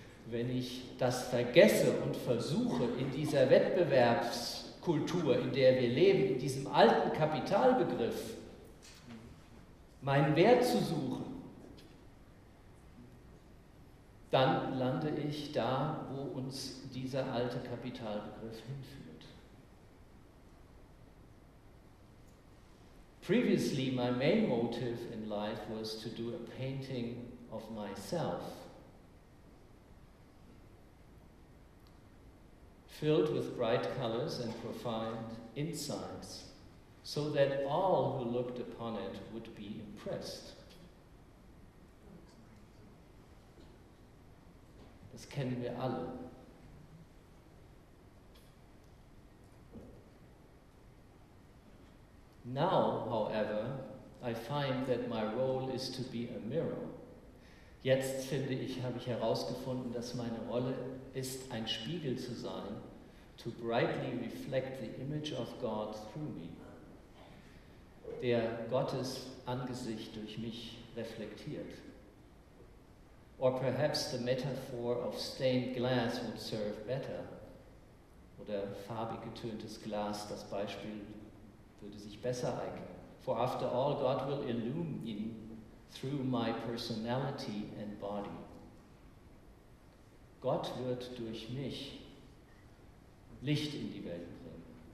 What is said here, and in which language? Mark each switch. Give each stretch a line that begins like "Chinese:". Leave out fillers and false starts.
German: Wenn ich das vergesse und versuche, in dieser Wettbewerbskultur, in der wir leben, in diesem alten Kapitalbegriff, meinen Wert zu suchen, dann lande ich da, wo uns dieser alte Kapitalbegriff hinführt.
English: Previously, my main motive in life was to do a painting of myself, filled with bright colors and profound insights, so that all who looked upon it would be impressed.
German: Das kennen wir alle.
English: Now, however, I find that my role is to be a mirror.
German: Jetzt finde ich, habe ich herausgefunden, dass meine Rolle ist, ein Spiegel zu sein,
English: to brightly reflect the image of God through me,
German: der Gottes Angesicht durch mich reflektiert.
English: Or perhaps the metaphor of stained glass would serve better.
German: Oder farbig getöntes Glas, das Beispiel, würde sich besser eignen.
English: For after all, God will illumine through my personality and body.
German: Gott wird durch mich Licht in die Welt bringen.